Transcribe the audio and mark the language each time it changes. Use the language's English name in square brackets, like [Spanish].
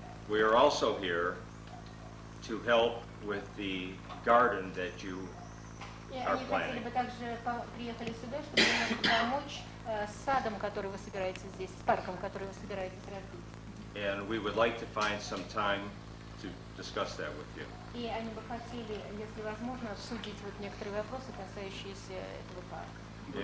[English] We are also here to help with the garden that you are planning. [Russian] И они также приехали сюда, чтобы помочь с садом, который вы собираетесь здесь, с парком, который вы собираетесь разбить. [English] And we would like to find some time to discuss that with you. [Russian] И они бы хотели, если возможно, обсудить вот некоторые вопросы, касающиеся этого парка.